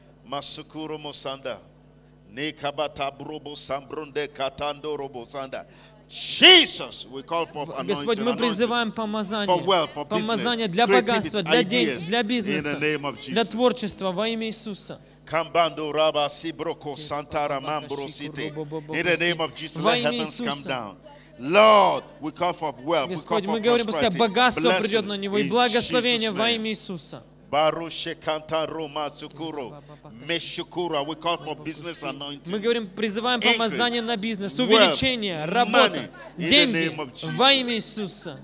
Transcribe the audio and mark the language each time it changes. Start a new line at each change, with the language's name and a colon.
English: Masukuru Mosanda, Nekabata Brobo Sambrunde Katando Robosanda. Jesus, we call for anointing.
Russian: Господь, мы призываем помазание.
English: For wealth, for business,
Russian: помазание для богатства, для денег, для бизнеса, для творчества во имя Иисуса. Камбандо Раба Сиброко Сантара Мамбро Сите.
English: In the name of Jesus, the heavens come down. Lord, we call for wealth.
Russian: Господь, мы говорим, пускай богатство придет на него и благословение во имя Иисуса. Baru shekanta roma sukuro meshukura.
English: We call for business anointing.
Russian: Мы говорим, призываем помазание на бизнес, увеличение, работа, деньги во имя Иисуса.